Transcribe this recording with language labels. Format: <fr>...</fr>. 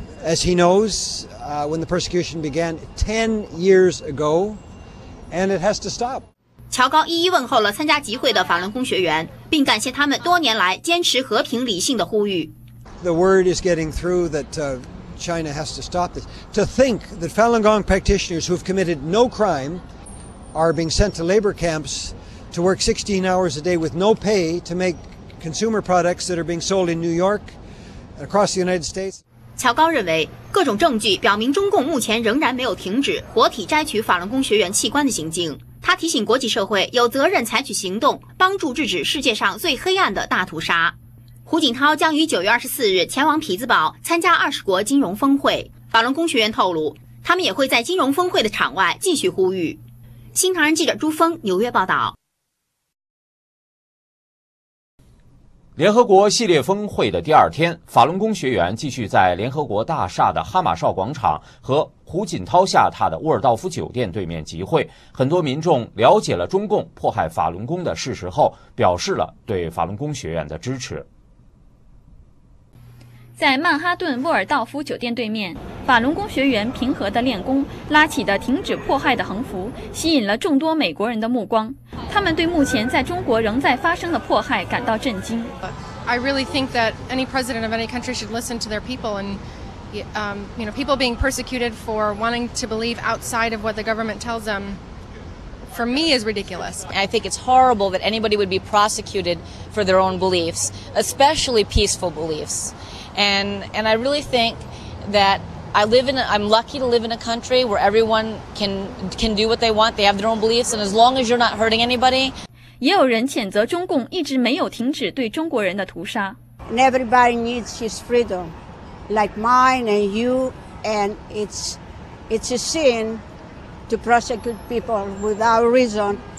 <en>As he knows, when the persecution began 10 years ago, and it has to stop.</en> <zh>乔高一一问候了参加集会的法轮功学员，并感谢他们多年来坚持和平理性的呼吁。</zh> <en>The word is getting through that China has to stop this. To think that Falun Gong practitioners who have committed no crime are being sent to labor camps to work 16 hours a day with no pay to make consumer products that are being sold in New York and across the United States.</en> <zh>乔高认为，各种证据表明中共目前仍然没有停止活体摘取法轮功学员器官的行径。他提醒国际社会有责任采取行动，帮助制止世界上最黑暗的大屠杀。胡锦涛将于9月24日前往匹兹堡参加20国金融峰会。法轮功学员透露，他们也会在金融峰会的场外继续呼吁。新唐人记者朱峰，纽约报道。联合国系列峰会的第二天，法轮功学员继续在联合国大厦的哈马绍广场和胡锦涛下榻的沃尔道夫酒店对面集会。很多民众了解了中共迫害法轮功的事实后，表示了对法轮功学员的支持。在曼哈顿沃尔道夫酒店对面，法轮功学员平和的练功拉起的停止迫害的横幅吸引了众多美国人的目光。他们对目前在中国仍在发生的迫害感到震惊。</zh> <en>I really think that any president of any country should listen to their people and, you know, people being persecuted for wanting to believe outside of what the government tells them, for me, is ridiculous. I think it's horrible that anybody would be prosecuted for their own beliefs, especially peaceful beliefs. And I really think that I'm lucky to live in a country where everyone can do what they want. They have their own beliefs, and as long as you're not hurting anybody.</en> <zh>也有人谴责中共一直没有停止对中国人的屠杀。</zh> <en>And everybody needs his freedom, like mine and you. And it's a sin to prosecute people without reason.</en>